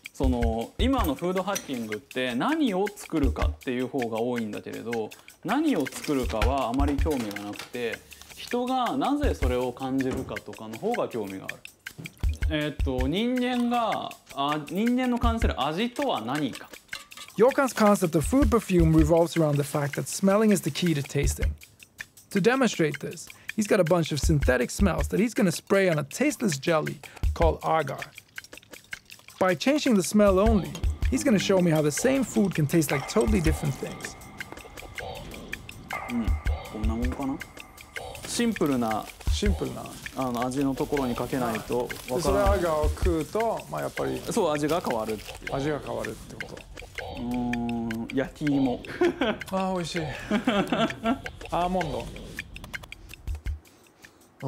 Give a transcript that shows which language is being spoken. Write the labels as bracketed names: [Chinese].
[Japanese] その今のフードハッキングって何を作るかっていう方が多いんだけれど、何を作るかはあまり興味がなくて、人がなぜそれを感じるかとかの方が興味がある。人間の感じる味とは何か。 [English] Jochen's concept of food perfume revolves around the fact that smelling is the key to tasting. To demonstrate this, he's got a bunch of synthetic smells that he's going to spray on a tasteless jelly called agar. By changing the smell only, he's going to show me how the same food can taste like totally different things. [Japanese] こんなもんかな。シンプルな味のところにかけないとわからない。それアガーを食うと、まあやっぱりそう、味が変わるって。味が変わるってこと。焼き芋。あ、美味しい。アーモンド。